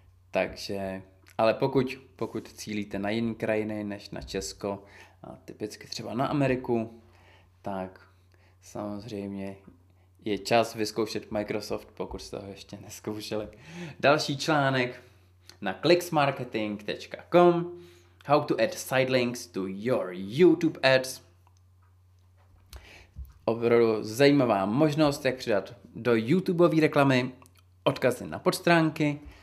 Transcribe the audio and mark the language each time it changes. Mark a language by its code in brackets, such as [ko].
[cs] Takže, ale pokud cílíte na jiné krajiny než na Česko, a typicky třeba na Ameriku, tak samozřejmě je čas vyzkoušet Microsoft, pokud jste ho ještě neskoušeli. Další článek na clicksmarketing.com. [en] How to add sidelinks to your YouTube ads. [cs] Opravdu zajímavá možnost, jak přidat do YouTubeové reklamy odkazy na podstránky.